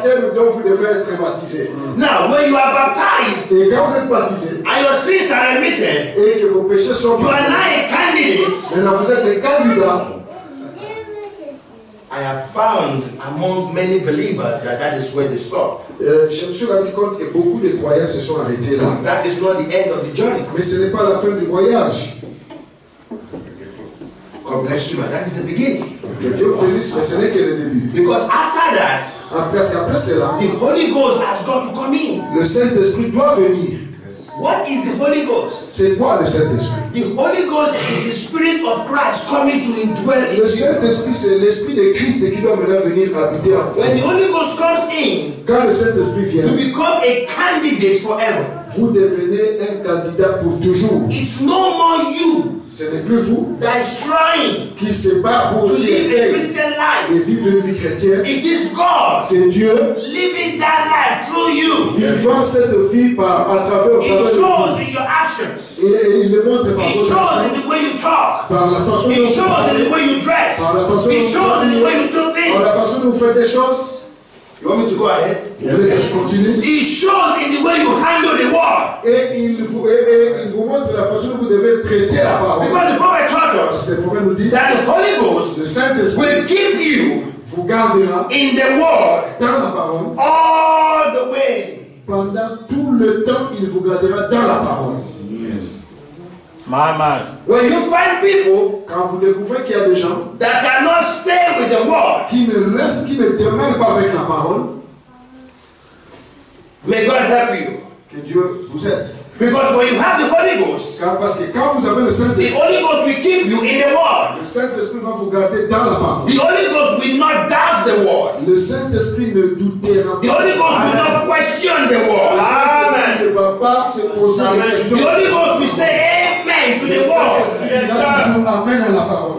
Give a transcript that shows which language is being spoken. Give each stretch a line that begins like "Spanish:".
French: baptême dont vous devez être baptisé.
English: Now, when you are baptized,
French: et quand vous êtes baptisé,
English: and your sins are remitted,
French: et que vos péchés sont pardonnés,
English: you are now a candidate.
French: Maintenant, vous êtes un candidat.
English: I have found among many believers that that is where they stop.
French: Je me suis rendu compte que beaucoup de croyants se sont arrêtés là.
English: That is not the end of the journey.
French: Mais ce n'est pas la fin du voyage.
English: God bless you, but that is the beginning.
French: Que Dieu bénisse, mais ce n'est que le début.
English: Because after that,
French: après cela,
English: the Holy Ghost has got to come in.
French: Le Saint-Esprit doit venir.
English: What is the Holy Ghost?
French: C'est quoi le Saint-Esprit?
English: The Holy Ghost is the Spirit of Christ coming to indwell in you.
French: Le Saint-Esprit, c'est l'Esprit de Christ qui doit maintenant venir habiter en toi.
English: When the Holy Ghost comes in,
French: quand le Saint-Esprit vient,
English: you become a candidate forever.
French: Vous devenez un candidat pour toujours.
English: It's no more you.
French: Ce n'est plus vous
English: that is trying
French: qui se bat pour
English: to live a Christian life.
French: Et vivre une vie chrétienne.
English: It is God.
French: C'est Dieu
English: living that life through you.
French: Vivant cette vie par à travers vous.
English: It shows in your actions.
French: Et il le montre par
English: it shows actions. In the way you talk.
French: Par la façon
English: it shows
French: parlez.
English: In the way you dress.
French: Par la façon
English: it shows
French: parlez.
English: In the way you do things.
French: Par la façon vous faites des choses.
English: You want me to go ahead?
French: Vous voulez que je continue?
English: It shows in the way you handle the word.
French: Et il vous montre la façon dont vous devez traiter la parole.
English: Because the prophet taught us that the Holy Ghost,
French: le Saint-Esprit,
English: will keep you
French: vous gardera
English: in the word
French: dans la parole
English: all the way.
French: Pendant tout le temps, il vous gardera dans la parole.
English: My man. When you find people
French: quand vous découvrez qu'il y a des gens
English: that cannot stay with the word,
French: qui ne demeure pas avec la parole,
English: may God help you.
French: Que Dieu vous aide.
English: Because when you have the Holy Ghost,
French: parce que quand vous avez le Saint-Esprit,
English: the Holy Ghost will keep you in the word.
French: Le Saint-Esprit va vous garder dans la parole.
English: The Holy Ghost will not doubt the word.
French: Le Saint-Esprit ne doutera pas.
English: The Holy Ghost will not question the word.
French: Le Saint-Esprit ne va pas se poser des questions.
English: The Holy Ghost will say amen to the word.
French: Le Saint-Esprit dira amen à la parole.